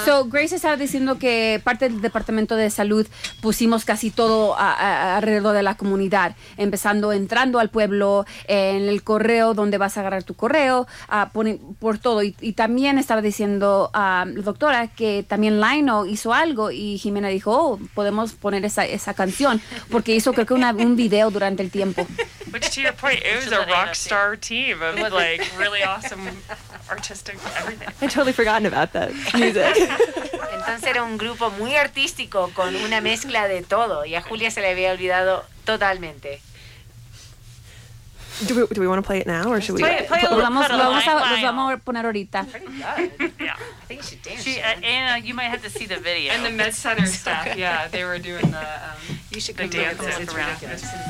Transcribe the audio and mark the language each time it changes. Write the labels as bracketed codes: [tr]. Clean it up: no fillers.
[es] So Grace estaba diciendo que parte del Departamento de Salud pusimos casi todo alrededor de la comunidad, empezando entrando al pueblo, en el correo donde vas a agarrar tu correo, por todo. Y también estaba diciendo la doctora que también Lino hizo algo y Jimena dijo, oh, podemos poner esa canción, porque hizo creo que un video durante el tiempo. [en] Which to your point, it was a rock star team of like really awesome artistic everything. I'd totally forgotten about that music. [es] Entonces era un grupo muy artístico con una mezcla de todo y a Julia se le había olvidado totalmente. [en] Do we want to play it now or should Let's play it. You might have to see the video. And the med center staff, yeah, they were doing the you should go dance around. Ridiculous.